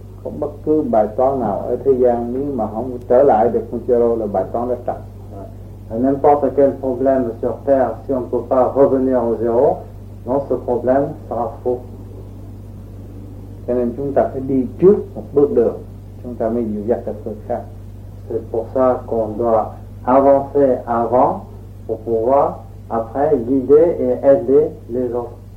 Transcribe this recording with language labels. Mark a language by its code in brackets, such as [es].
[vi] Không bất cứ bài toán nào ở thế gian nếu mà không trở lại được con zéro là bài toán rất chặt. [fr] N'importe quel problème sur Terre, si on ne peut pas revenir au zéro, non, ce problème sera faux. [vi] Cho nên chúng ta phải đi trước một bước đường, chúng ta mới dìu dắt được người khác. [fr] C'est pour ça qu'on doit avancer avant pour pouvoir après guider et aider les autres.